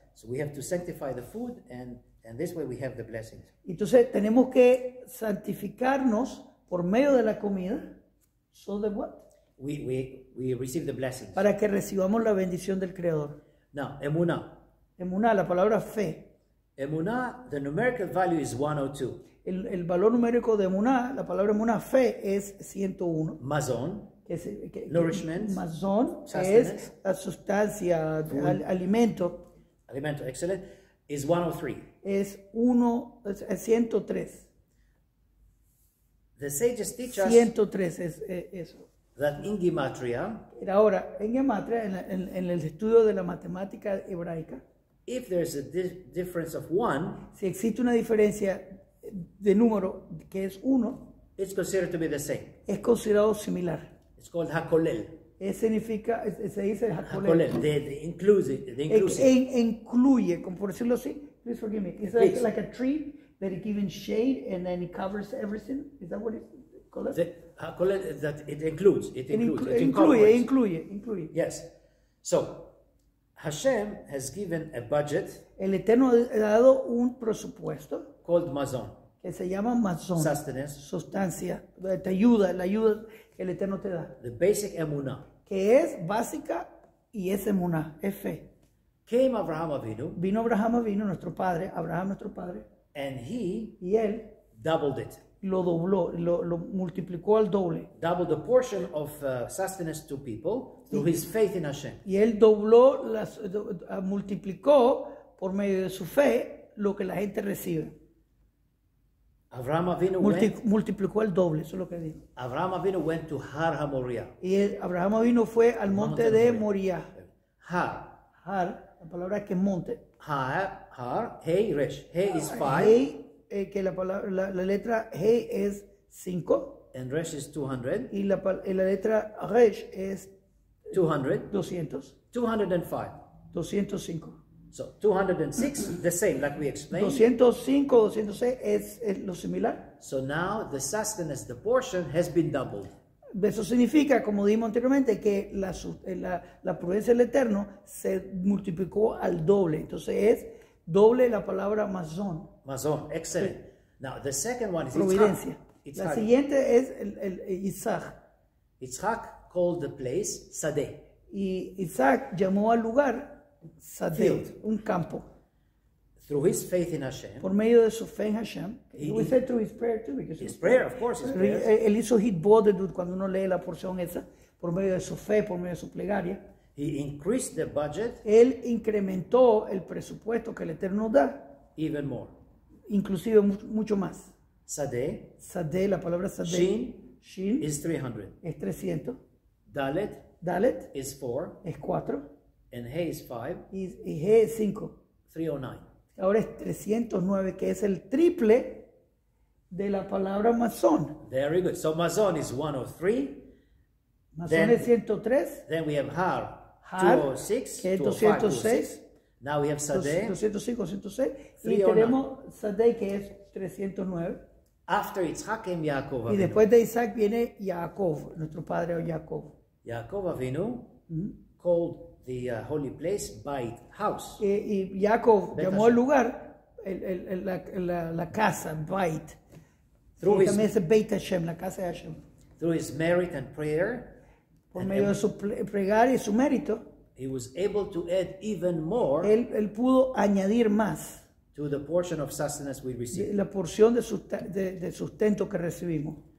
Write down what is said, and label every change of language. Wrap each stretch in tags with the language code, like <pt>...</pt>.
<en>So we have to sanctify the food, and this way we have the blessings.</en> <es>Entonces tenemos que santificarnos por medio de la comida.</es> <en>So that what? We receive the blessings.</en> <es>Para que recibamos la bendición del Creador.</es> <en>Now, emuna.</en> <es>Emuna, la palabra fe.</es> <en>Emuna, the numerical value is 102.</en> <es>El valor numérico de emuna, la palabra emuna, fe, es 101.</es> <he>Mazón.</he> <es>Que</es> <en>nourishment.</en> <es>Mazón es la sustancia, alimento.</es> <en>Alimento, excellent, is 103.</en> <es>Es 103.</es> <en>The sages teach us</en> <es>103 es</es> <en>that in gematria,</en> <es>ahora, en gematria, en el estudio de la matemática hebraica,</es> <en>if there is a difference of one,</en> <es>si existe una diferencia de número que es uno,</es> <en>it's considered to be the same.</en> <es>Es considerado similar.</es> <en>It's called hakolel.</en> <es>Significa, se dice</es> <en>Hakolel, the inclusive.</en> <es>Incluye, como por decirlo así,</es> <en>please forgive me. It's like a tree that it gives shade and then it covers everything. Is that what it's called? Hakolel, that it includes.</en> <es>Incluye.</es> <en>Yes. So, Hashem has given a budget.</en> <es>El Eterno ha dado un presupuesto.</es> <en>Called Mazon.</en> <es>Que se llama Mazon.</es> <en>Sustenance.</en> <es>Sustancia. Te ayuda, la ayuda. El Eterno te da.</es> <en>The basic emuna.</en> <es>Que es básica Y es emuná, es fe.</es> <en>Came Abraham Avinu.</en> <es>Vino Abraham Avinu, nuestro padre, Abraham nuestro padre.</es> <en>And he</en> <es>y él</es> <en>doubled it.</en> <es>Lo dobló, lo multiplicó al doble.</es> <en>Doubled the portion of sustenance to people through his faith in Hashem.</en> <es>Y él dobló, multiplicó por medio de su fe lo que la gente recibe.</es> <en>Abraham Avinu</en> <es>multiplicó el doble, eso es lo que dijo.</es> <en>Abraham Avinu went to Har HaMoriah.</en> <es>Y Abraham Avinu fue al monte de Moria.</es> <he>Har.</he> <es>Har, la palabra es que es monte.</es> <en>Har, hey, resh. Hey is five.</en> <es>Hey, que la palabra, la letra hey es 5.</es> <en>And resh is 200.</en> <es>Y la letra resh es 200.</es> <en>200. 205.</en> <es>205.</es> <en>So 206, the same, like we explained.</en> <es>205, 206 es lo similar.</es> <en>So now the sustenance, the portion, has been doubled.</en> <es>Eso significa, como dijimos anteriormente, que la prudencia del Eterno se multiplicó al doble. Entonces es doble la palabra mazón.</es> <en>Mazón, excellent. Sí. Now the second one is</en> <es>providencia.</es> <en>Yitzhak.</en> <es>La siguiente es el Yitzhak.</es> <en>Yitzhak called the place Sadeh.</en> <es>Y Yitzhak llamó al lugar Sadeh, un campo.</es> <en>Through his faith in Hashem.</en> <es>Por medio de su fe en Hashem.</es> <en>We said through his prayer too, because his prayer, of course, his prayer.</en> <es>Él hizo his bodedut cuando uno lee la porción esa, por medio de su fe, por medio de su plegaria.</es> <en>He increased the budget.</en> <es>Él incrementó el presupuesto que el Eterno da.</es> <en>Even more.</en> <es>Inclusive mucho más.</es> <he>Sadeh.</he> <es>Sadeh, la palabra Sadeh.</es> <en>Shin is 300.</en> <es>Es 300.</es> <he>Dalet. Dalet</he> <en>is 4.</en> <es>Es 4.</es> <en>And hey is 5.</en> <es>Y hey es 5.</es> <en>309.</en> <es>Ahora es 309, que es el triple de la palabra mazón.</es> <en>Very good. So mazón is 103.</en> <es>Mazón es 103.</es> <en>Then we have har.</en> <he>Har.</he> <en>206.</en> <es>Que es 206.</es> <en>Now we have sadeh.</en> <es>205, 106. 309. Y tenemos sadeh, que es 309.</es> <en>After Yitzhak came Yaakov Avinu.</en> <es>Y después de Isaac viene Yaakov, nuestro padre Yaakov.</es> <en>Yaakov Avinu called the holy place by house.</en> <es>Y Jacob llamó al lugar la casa Beit.</es> <en>Through</en> <es>también es Beit Hashem, la casa de Hashem.</es> <en>Through his merit and prayer.</en> <es>Por medio de su pregar y su mérito.</es> <en>He was able to add even more.</en> <es>Él pudo añadir más.</es> <en>To the portion of sustenance we received.</en> <es>La porción de sustento que recibimos.</es>